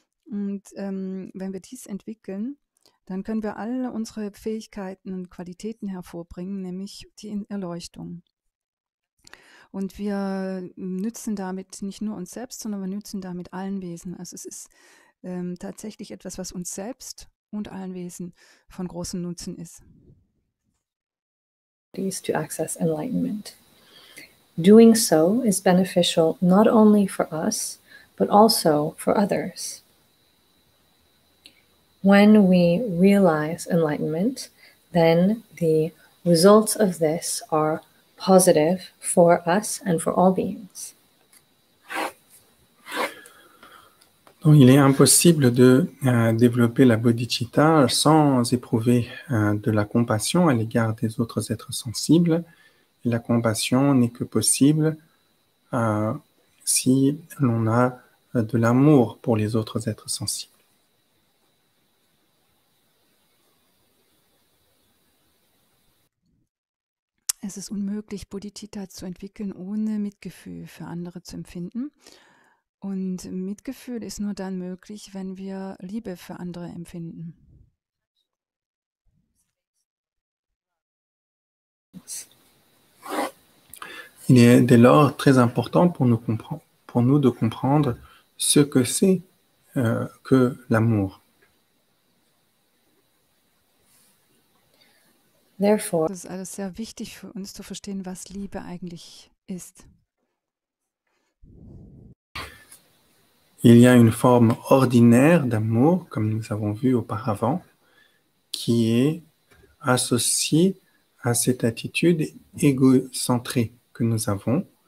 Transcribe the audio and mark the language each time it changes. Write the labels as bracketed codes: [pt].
[de] Und wenn wir dies entwickeln, dann können wir alle unsere Fähigkeiten und Qualitäten hervorbringen, nämlich die Erleuchtung. Und wir nützen damit nicht nur uns selbst, sondern wir nützen damit allen Wesen. Also es ist tatsächlich etwas, was uns selbst und allen Wesen von großem Nutzen ist. [en] To access enlightenment. Doing so is beneficial not only for us, but also for others. When we realize enlightenment, then the results of this are positive for us and for all beings. [fr] Donc, il est impossible de développer la bodhicitta sans éprouver de la compassion à l'égard des autres êtres sensibles. Et la compassion n'est que possible si l'on a de l'amour pour les autres êtres sensibles. [de] Es ist unmöglich, Bodhicitta zu entwickeln, ohne Mitgefühl für andere zu empfinden. Und Mitgefühl ist nur dann möglich, wenn wir Liebe für andere empfinden. [fr] Il est dès lors très important pour nous de comprendre ce que c'est que l'amour. [de] Therefore, es ist also sehr wichtig für uns zu verstehen, was Liebe eigentlich ist. [fr] Il y a une forme ordinaire d'amour, comme nous avons vu auparavant, qui est associée à cette attitude égocentrée que nous avons.